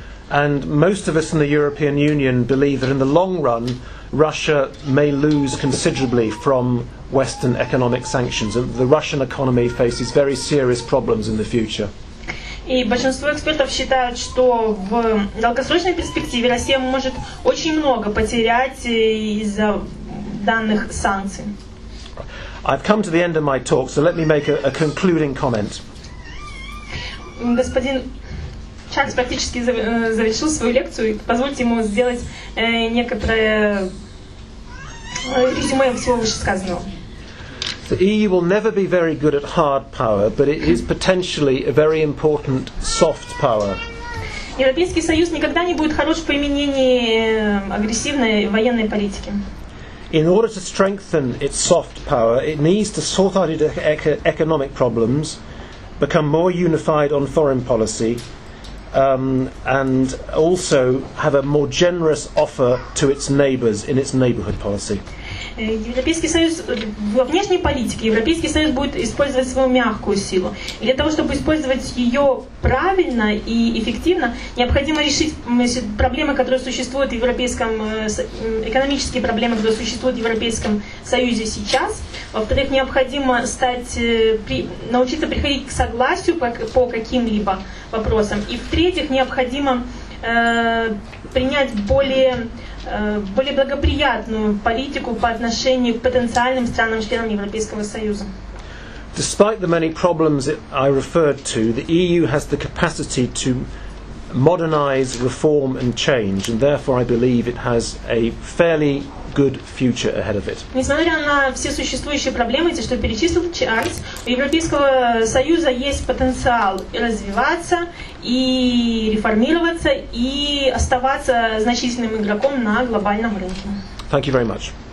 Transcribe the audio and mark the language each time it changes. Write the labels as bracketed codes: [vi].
[en] And most of us in the European Union believe that in the long run, Russia may lose considerably from Western economic sanctions. The Russian economy faces very serious problems in the future. [ru] И большинство экспертов считают, что в долгосрочной перспективе Россия может очень много потерять из-за данных санкций. [en] I've come to the end of my talk, so let me make a concluding comment. [ru] Господин Чакс практически завершил свою лекцию. Позвольте ему сделать некоторое резюме всего вышесказанного. [en] The EU will never be very good at hard power, but it is potentially a very important soft power. [ru] Европейский Союз никогда не будет хорош в применении агрессивной военной политики. [en] In order to strengthen its soft power, it needs to sort out its economic problems, become more unified on foreign policy, and also have a more generous offer to its neighbors in its neighborhood policy. [ru] Европейский Союз во внешней политике, Европейский Союз будет использовать свою мягкую силу. И для того, чтобы использовать ее правильно и эффективно, необходимо решить проблемы, которые существуют в Европейском, экономические проблемы, которые существуют в Европейском Союзе сейчас. Во-вторых, необходимо научиться приходить к согласию по каким-либо вопросам. И в-третьих, необходимо принять более благоприятную политику по отношению к потенциальным странам-членам Европейского Союза. [en] Despite the many problems I referred to, the EU has the capacity to modernize, reform and change, and therefore I believe it has a fairly good future ahead of it. [ru] Несмотря на все существующие проблемы, те, что перечислил Чарльз, у Европейского Союза есть потенциал развиваться и реформироваться и оставаться значительным игроком на глобальном рынке. [en] Thank you very much.